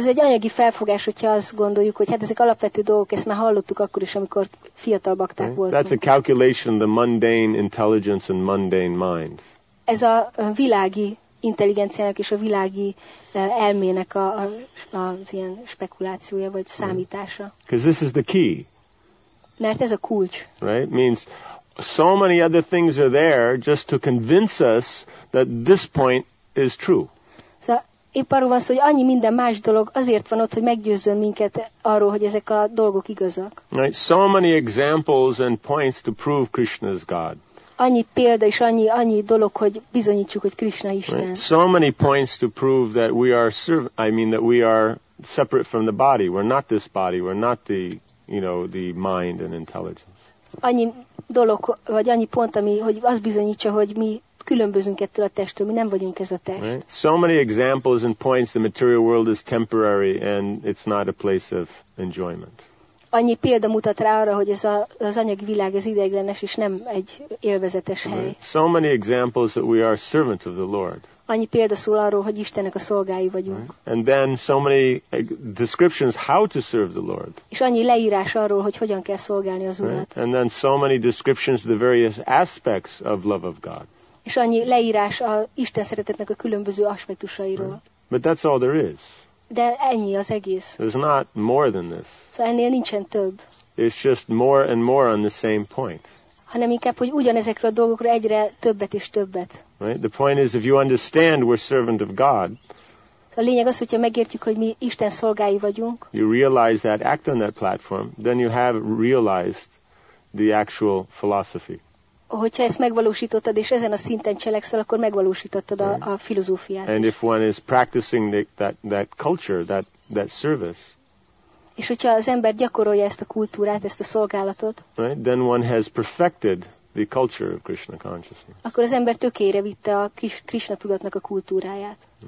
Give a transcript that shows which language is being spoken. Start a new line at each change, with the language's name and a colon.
Hungarian: ez egy anyagi felfogás, hogyha azt gondoljuk, hogy hát ezek alapvető dolgok, ezt már hallottuk akkor is, amikor fiatal bakták voltunk.
English: That's a calculation, the mundane intelligence and mundane mind.
Hungarian: Ez a világi intelligenciának és a világi elmének az ilyen spekulációja vagy számítása.
English: Because this is the key.
Hungarian: Mert ez a kulcs.
English: Right? Means so many other things are there just to convince us that this point is true.
Hungarian: Szóval épp arról van szó, hogy annyi minden más dolog azért van ott, hogy meggyőzzön minket arról, hogy ezek a dolgok igazak.
English: Right? So many examples and points to prove Krishna is God.
Hungarian: Annyi példa és annyi dolog, hogy bizonyítsuk, hogy Krishna Isten.
English: Right? So many points to prove that we are that we are separate from the body. We're not this body. We're not the, you know, the mind and intelligence.
Hungarian: Annyi dolog vagy annyi pont, ami hogy az bizonyítsa, hogy mi különbözünk ettől a testtől, mi nem vagyunk ez a test.
English: Right? So many examples and points, the material world is temporary and it's not a place of enjoyment.
Hungarian: Annyi példa mutat rá arra, hogy ez az anyagi világ ez ideiglenes és nem egy élvezetes hely.
English: Right? So many examples that we are servant of the Lord.
Hungarian: Annyi példa szól arról, hogy Istennek a szolgái vagyunk.
English: Right? And then so many descriptions how to serve the Lord.
Hungarian: És annyi leírás arról, hogy hogyan kell szolgálni az Urat.
English: And then so many descriptions of the various aspects of love of God.
Hungarian: És annyi leírás a Isten szeretetnek a különböző aspektusairól.
English: Right? But that's all there is.
Hungarian: De ennyi az egész.
English: There's not more than this.
Hungarian: Szóval ennél nincsen több.
English: It's just more and more on the same point.
Hungarian: Hanem inkább, hogy ugyanezekről a dolgokról egyre többet és többet.
English: Right? The point is, if you understand we're servant of God,
Hungarian: a lényeg az, hogyha megértjük, hogy mi Isten szolgái vagyunk,
English: you realize that, act on that platform, then you have realized the actual philosophy.
Hungarian: Hogyha ezt megvalósítottad, és ezen a szinten cselekszel, akkor megvalósítottad a filozófiát.
English: And if one is practicing that culture, that service,
Hungarian: és hogyha az ember gyakorolja ezt a kultúrát, ezt a szolgálatot,
English: right, then one has perfected the culture of Krishna consciousness.
Hungarian: Akkor az ember tökére vitte a Krishna tudatnak a kultúráját.